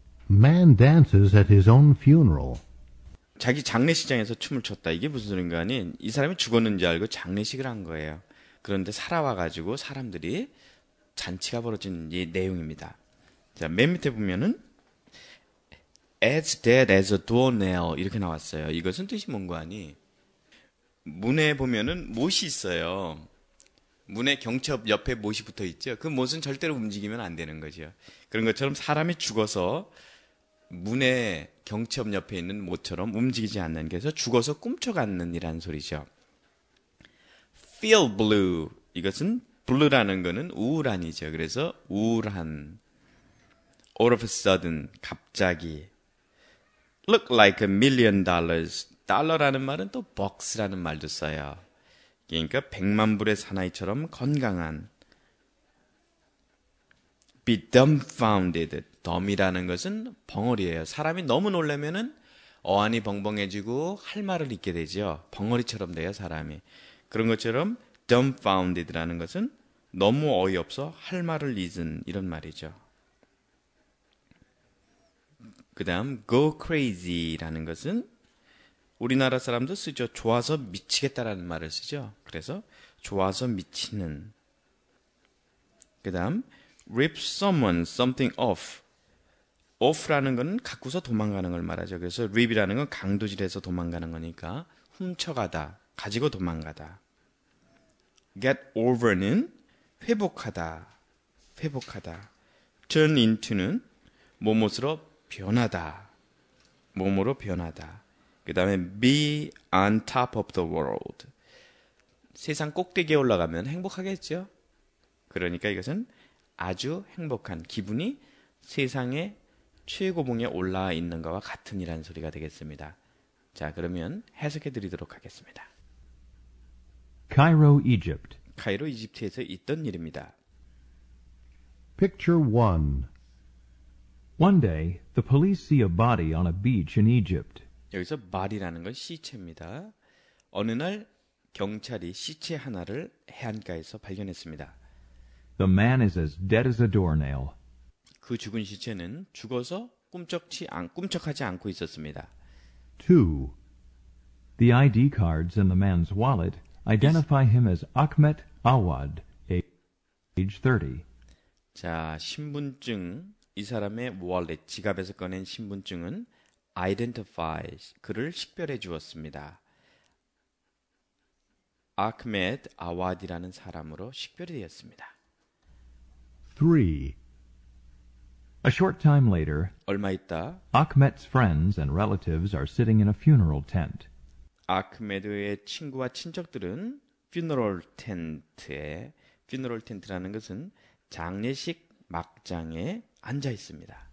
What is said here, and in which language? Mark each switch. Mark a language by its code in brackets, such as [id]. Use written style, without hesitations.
[en] Man dances at his own funeral. [ko] 자기 장례식장에서 춤을 췄다. 이게 무슨 소린가 하니 이 사람이 죽었는지 알고 장례식을 한 거예요. 그런데 살아와가지고 사람들이 잔치가 벌어진 이 내용입니다. 자, 맨 밑에 보면은 [en] As dead as a doornail [ko] 이렇게 나왔어요. 이것은 뜻이 뭔가 하니 문에 보면은 못이 있어요. 문의 경첩 옆에 못이 붙어 있죠. 그 못은 절대로 움직이면 안 되는 거죠. 그런 것처럼 사람이 죽어서 문의 경첩 옆에 있는 못처럼 움직이지 않는 게 해서 죽어서 꿈쩍않는 이란 소리죠. [en] Feel blue. [ko] 이것은 blue라는 거는 우울한이죠. 그래서 우울한. [en] All of a sudden. [ko] 갑자기. [en] Look like a million dollars. [ko] 달러라는 말은 또 box라는 말도 써요. 그러니까 백만불의 사나이처럼 건강한 [en] Be dumbfounded. [ko] Dumb이라는 것은 벙어리예요. 사람이 너무 놀라면은 어안이 벙벙해지고 할 말을 잊게 되죠. 벙어리처럼 돼요, 사람이. 그런 것처럼 dumbfounded라는 것은 너무 어이없어 할 말을 잊은 이런 말이죠. 그 다음 [en] go crazy [ko] 라는 것은 우리나라 사람도 쓰죠. 좋아서 미치겠다라는 말을 쓰죠. 그래서 좋아서 미치는. 그 다음, [en] rip someone something off. [ko] off라는 건 갖고서 도망가는 걸 말하죠. 그래서 rip이라는 건 강도질해서 도망가는 거니까 훔쳐가다, 가지고 도망가다. get over는 회복하다, 회복하다. turn into는 몸으로 변하다, 몸으로 변하다. 그 다음에 [en] be on top of the world. [ko] 세상 꼭대기에 올라가면 행복하겠죠? 그러니까 이것은 아주 행복한 기분이 세상의 최고봉에 올라와 있는 것과 같은 이란 소리가 되겠습니다. 자, 그러면 해석해 드리도록 하겠습니다. [en] Cairo, Egypt. [ko] 카이로 이집트에서 있던 일입니다. [en] Picture 1. One day, the police see a body on a beach in Egypt. [ko] 여기서 body라는 건 시체입니다. 어느 날 경찰이 시체 하나를 해안가에서 발견했습니다. [en] The man is as dead as a doornail. [ko] 그 죽은 시체는 죽어서 꿈쩍하지 않고 있었습니다. 2. [en] The ID cards in the man's wallet identify him as Ahmet Awad, age 30. [ko] 자, 신분증, 이 사람의 wallet, 지갑에서 꺼낸 신분증은 identify 그를 식별해 주었습니다. Ahmet Awad이라는 사람으로 식별이 되었습니다. [en] 3. A short time later, [ko] 얼마 있다, [en] Ahmet's friends and relatives are sitting in a funeral tent. [ko] Ahmet의 친구와 친척들은 funeral tent에 funeral tent라는 것은 장례식 막장에 앉아 있습니다.